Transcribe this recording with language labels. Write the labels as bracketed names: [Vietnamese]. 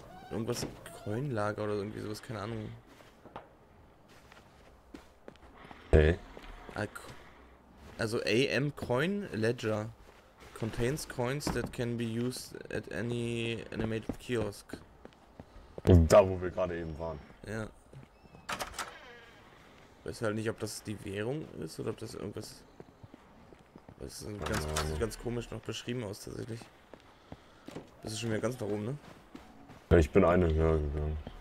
[German] Irgendwas coin lager oder irgendwie sowas, keine Ahnung. [English] Also AM Coin Ledger contains coins that can be used at any animated kiosk. [German] Und da, wo wir gerade eben waren. Ja. Weiß halt nicht, ob das die Währung ist oder ob das irgendwas. Das ist ganz, ganz komisch noch beschrieben aus tatsächlich. Das ist schon wieder ganz nach oben, ne? Ja, ich bin eine höher gegangen.